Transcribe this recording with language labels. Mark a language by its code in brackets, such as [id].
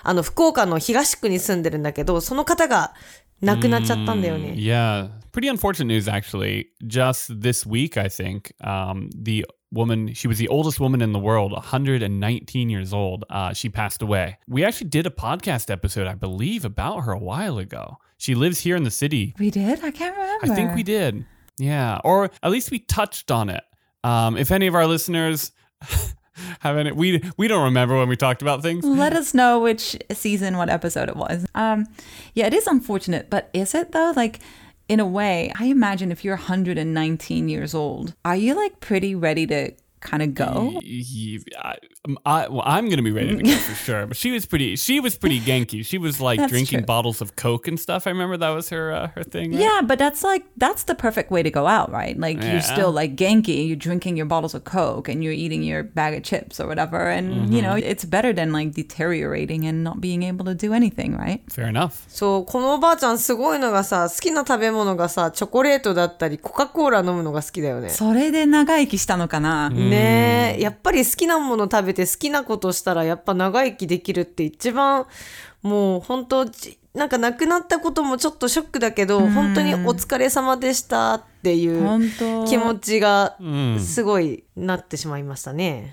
[ja] あの、福岡の東区に住んでるんだけど、その方が亡くなっちゃったんだよね。 [en] Yeah, pretty unfortunate news actually. Just this week, I think, the woman. She was the oldest woman in the world, 119 years old. She passed away. We actually did a podcast episode, I believe, about her a while ago. She lives here in the city. We did? I can't remember. I think we did. Yeah. Or at least we touched on it. If any of our listeners have any, we don't remember when we talked about things. Let us know which season, what episode it was. Yeah, it is unfortunate, but is it though? Like, in a way, I imagine if you're 119 years old, are you like pretty ready to kind of go? I'm going to be ready to go for sure. But she was pretty ganky. She was like drinking bottles of Coke and stuff. I remember that was her thing. Right? Yeah, but that's like, that's the perfect way to go out, right? Like you're still like ganky. You're drinking your bottles of Coke and you're eating your bag of chips or whatever. And, you know, it's better than like deteriorating and not being able to do anything, right? Fair enough. [ja] So, このおばあちゃんすごいのがさ、好きな食べ物がさ、チョコレートだったり、コカ・コーラ飲むのが好きだよね。それで長生きしたのかな？ねえ、やっぱり好きなもの食べて好きなことしたらやっぱ長生きできるって一番もう本当なんか亡くなったこともちょっとショックだけど本当にお疲れ様でしたっていう気持ちがすごいなってしまいましたね。